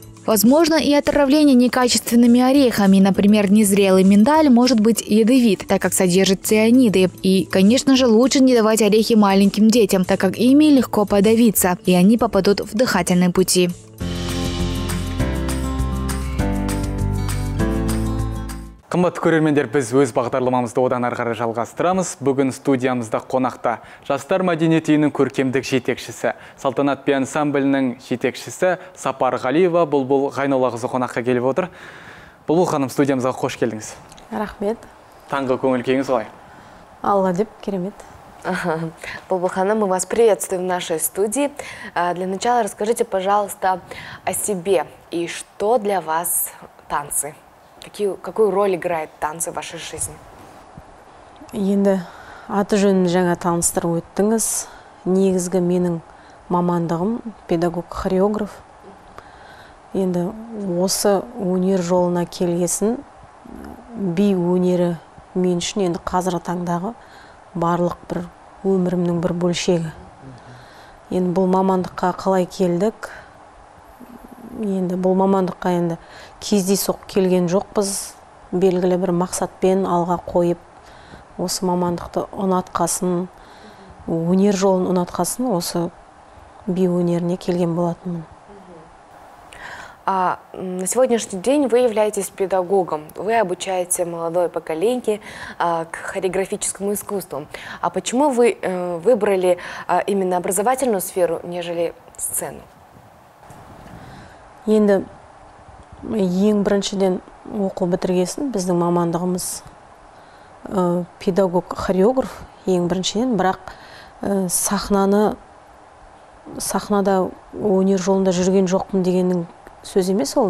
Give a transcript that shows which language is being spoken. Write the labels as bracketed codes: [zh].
[ru] Возможно и отравление некачественными орехами, например, незрелый миндаль может быть ядовит, так как содержит цианиды. И, конечно же, лучше не давать орехи маленьким детям, так как ими легко подавиться, и они попадут в дыхательные пути. [kk] Қымбат көрермендер, біз өз бағдарламамызды одан ары қарай жалғастырамыз. Бүгін студиямызда қонақта Жастар мәдениет үйінің көркемдік жетекшісі, Салтанат би ансамблінің жетекшісі Сапар Ғалиева, Бұлбұл Ғайноллақызы қонаққа келіп отыр. Бұлбұл ханым, студиямызға қош келдіңіз. Рахмет. Таңғы көңіл-күйіңіз қалай? Алла деп, керемет. [ru] Бұлбұл ханым, мы вас приветствуем в нашей студии. Для начала расскажите, пожалуйста, о себе и что для вас танцы? Какую роль играет танцы в вашей жизни? [kk] Енді аты жөнін жаңа таныстырып өттіңіз. Негізгі менің мамандығым педагог-хореограф. Енді осы өнер жолына келгесін, би өнері мен үшін енді қазіргі таңдағы барлық бір өмірімнің бір бөлшегі. Енді бұл мамандыққа қалай келдік? Енді бұл мамандыққа енді кездейсоқ келген жоқпыз, белгілі бір мақсатпен алға қойып, осы мамандықты ұнатқасын, өнер жолын ұнатқасын, осы би өнеріне келген болатынмын. [ru] А на сегодняшний день вы являетесь педагогом, вы обучаете молодое поколение к хореографическому искусству. А почему вы выбрали именно образовательную сферу, нежели сцену? [kk] Енді ең біріншіден оқу бітіргесін, біздің мамандығымыз педагог-хореограф ең біріншіден, бірақ сахнада өнер жолында жүрген жоқпын дегеннің сөз емес ол.